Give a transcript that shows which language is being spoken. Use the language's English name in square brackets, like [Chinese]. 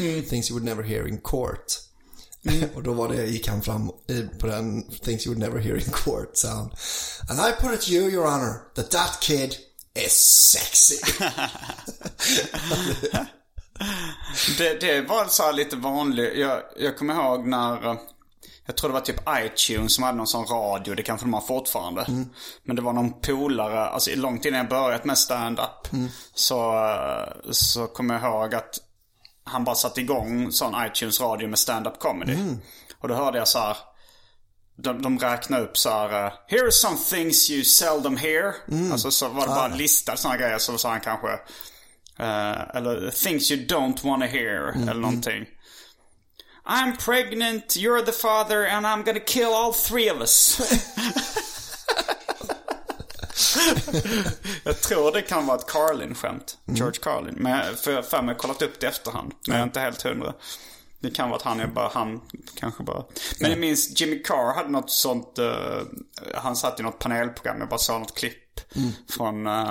[English] Things you would never hear in court. [Swedish] Och då var det, gick han fram på den [English] things you would never hear in court sound. And I put it to you, your honor, that kid is sexy. [Swedish] Det var så här lite vanligt. Jag kommer ihåg när jag tror det var typ iTunes som hade någon sån radio, det kanske de har fortfarande. Mm. Men det var någon polare, alltså långt innan jag börjat med stand-up, så kommer jag ihåg att han bara satt igång sån iTunes-radio med stand-up comedy. Mm. Och då hörde jag så här, De räknar upp så här: [English] here are some things you seldom hear. [Swedish] Alltså så var det bara listar såna grejer. Så sa han kanske eller [English] things you don't wanna hear. [Swedish] Eller någonting. [English] I'm pregnant, you're the father, and I'm gonna kill all three of us. [Swedish] Jag tror det kan vara ett Carlin-skämt. George Carlin. Men för mig har kollat upp det efterhand. Men jag är inte helt hundra. Det kan vara att han är bara han kanske bara. Men jag minns Jimmy Carr hade något sånt. Han satt i något panelprogram och bara sa något klipp från.